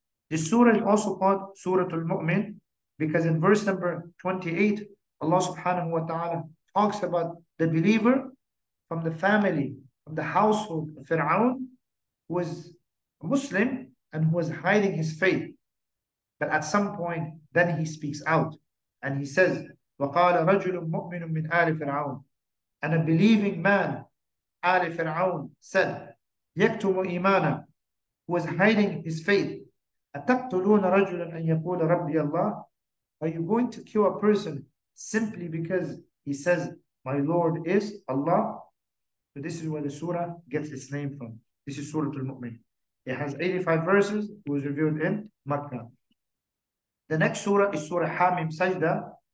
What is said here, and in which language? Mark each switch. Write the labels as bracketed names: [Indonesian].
[English] This surah is also called Surah Al-Mu'min because in verse number 28, Allah subhanahu wa ta'ala talks about the believer from the family, from the household of Fir'aun, who is a Muslim, and who was hiding his faith. But at some point, then he speaks out. And he says, [Arabic] وَقَالَ رَجُلٌ مُؤْمِنٌ مِّنْ آلِ فِرْعَوْنَ. [English] And a believing man [Arabic] آل فرعون said, يكتم إيمانه. [English] He was hiding his faith. [Arabic] أتقتلون رجلا أن يقول ربي الله؟ [English] Are you going to kill a person simply because he says, my Lord is Allah? So this is where the surah gets its name from. This is Surah Al-Mu'min. It has 85 verses. It was revealed in Makkah. The next surah is Surah Hamim Sajda.